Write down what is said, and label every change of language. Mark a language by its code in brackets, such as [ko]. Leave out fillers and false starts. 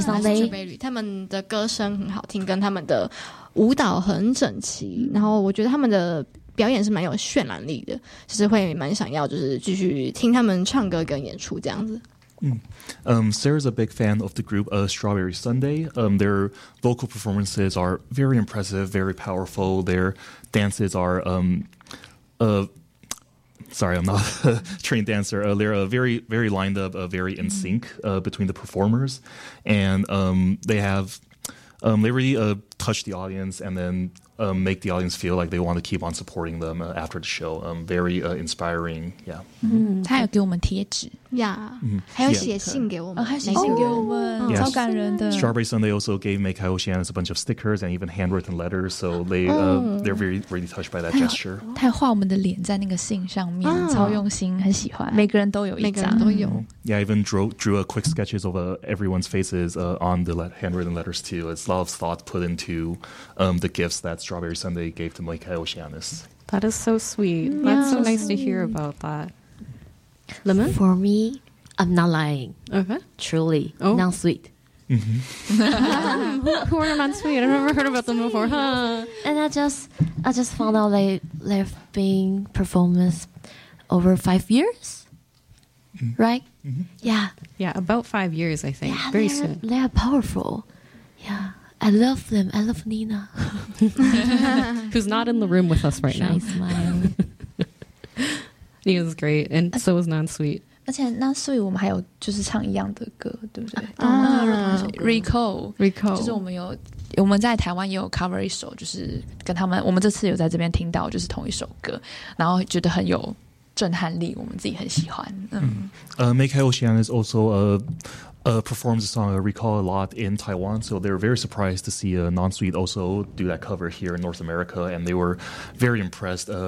[zh] Strawberry, 他们的歌声很好听，跟他们的舞蹈很整齐，然后我觉得他们的表演是蛮有渲染力的，就是会蛮想要就是继续听他们唱歌跟演出这样子。 [en] Sarah's a big fan of the group Strawberry Sunday. Their vocal performances are very impressive, very powerful. Their dances are trained dancer. They're very, very lined up, very in sync between the performers. And they have, they really touch the audience and then make the audience feel like they want to keep on supporting them after the show. Very inspiring. Yeah. [zh] Mm-hmm. 他有给我们贴纸。 [en] Yeah. [zh] 还有写信给我们。Yes. [en] Strawberry Sunday also gave Meikai Oceanus a bunch of stickers and even handwritten letters. So they're very, really touched by that gesture. [zh] 他有画我们的脸在那个信上面，超用心，很喜欢。每个人都有一张。 [en] Yeah, I even drew a quick sketches of everyone's faces on the handwritten letters too. It's a lot of thought put into the gifts that Strawberry Sunday gave to Meikai Oceanus. That is so sweet. Yeah, that's so nice to hear about that. Lemon? For me, I'm not lying. Okay. Truly. Oh. Non sweet. Mm-hmm. Who are non sweet? I've never heard about them before. Huh? And I just found out they've been performing over 5 years. Mm-hmm. Right? Mm-hmm. Yeah. Yeah, about 5 years, I think. Yeah, very soon. They are powerful. Yeah. I love them. I love Nina. Who's not in the room with us right now. Smile. It was great, and so was Non-Sweet. [zh] 而且 Non-Sweet 我们还有就是唱一样的歌，对不对？啊，Recall， 就是我们在台湾也有 cover 一首，就是跟他们，我们这次有在这边听到就是同一首歌，然后觉得很有震撼力，我们自己很喜欢。 [en] Meikai Oceanus also performs the song Recall a lot in Taiwan, so they were very surprised to see Non-Sweet also do that cover here in North America, and they were very impressed.